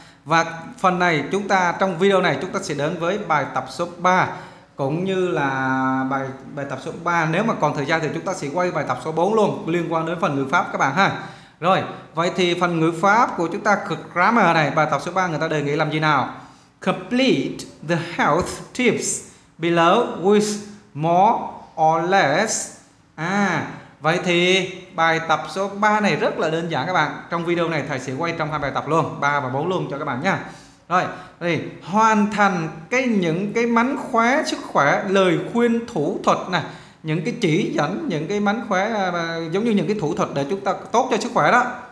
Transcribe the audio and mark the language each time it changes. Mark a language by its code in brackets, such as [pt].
[vi] Và phần này chúng ta trong video này chúng ta sẽ đến với bài tập số 3 cũng như là bài tập số 3. Nếu mà còn thời gian thì chúng ta sẽ quay bài tập số 4 luôn liên quan đến phần ngữ pháp các bạn ha. Rồi, vậy thì phần ngữ pháp của chúng ta cực grammar này, bài tập số 3 người ta đề nghị làm gì nào? [en] Complete the health tips below with more or less. [vi] Vậy thì bài tập số 3 này rất là đơn giản các bạn. Trong video này thầy sẽ quay trong hai bài tập luôn, 3 và 4 luôn cho các bạn nha. Rồi, thì hoàn thành cái những cái mánh khóe sức khỏe, lời khuyên thủ thuật này, những cái chỉ dẫn, những cái mánh khóe giống như những cái thủ thuật để chúng ta tốt cho sức khỏe đó.